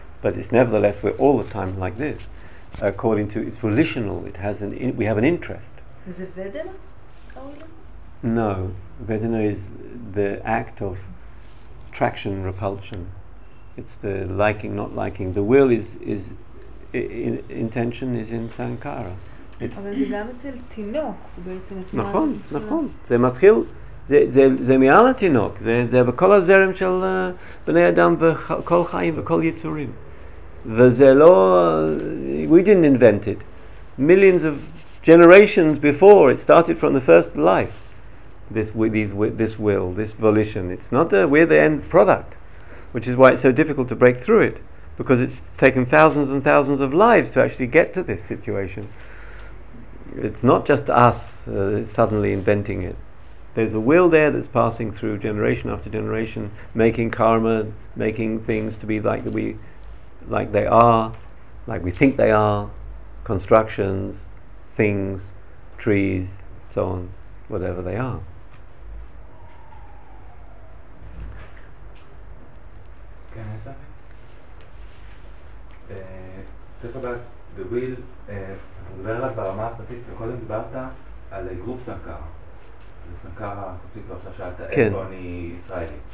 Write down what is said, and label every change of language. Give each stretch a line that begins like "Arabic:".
English: but it's nevertheless we're all the time like this. According to it's volitional, it has an we have an interest. Is it vedana? No, vedana is the act of attraction repulsion. It's the liking not liking. The will is intention is in sankara.
Hebrew: It's אבל זה גם אצל תינוק בעצם נכון נכון זה מתחיל זה מעל התינוק זה בכל הזרם של בני אדם וכל חיים וכל יצורים וזה לא
English: we didn't invent it millions of generations before it started from the first life this will this volition it's not the we're the end product which is why it's so difficult to break through it because it's taken thousands and thousands of lives to actually get to this situation it's not just us suddenly inventing it there's a will there that's passing through generation after generation making karma making things to be like that we like they are like we think they are constructions things trees so on whatever they are can I say talk about the will
Hebrew: נדבר עליו ברמה הפרטית וקודם דיברת על גרוף סנקרה סנקרה הפרטית ועכשיו שאלת איפה אני ישראלי